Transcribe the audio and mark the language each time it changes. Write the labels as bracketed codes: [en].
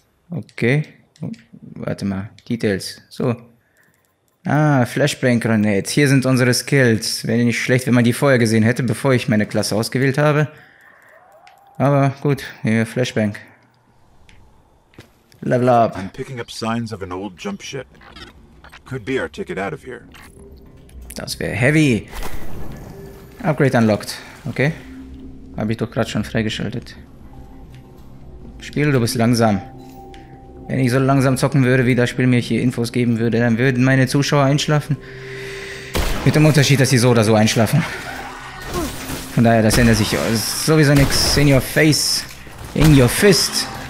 [de] Okay. Warte mal, Details. So. Ah, Flashbang-Granate. Hier sind unsere Skills. Wäre nicht schlecht, wenn man die vorher gesehen hätte, bevor ich meine Klasse ausgewählt habe. Aber gut, nehmen wir Flashbang. Level up. [en] I'm picking up signs of an old jump ship. Could be our ticket out of here. [de] Das wäre heavy. [en] Upgrade unlocked. [de] Okay. Habe ich doch gerade schon freigeschaltet. Spiel, du bist langsam. Wenn ich so langsam zocken würde, wie das Spiel mir hier Infos geben würde, dann würden meine Zuschauer einschlafen. Mit dem Unterschied, dass sie so oder so einschlafen. Von daher, das ändert sich sowieso nichts. [en] In your face. In your fist.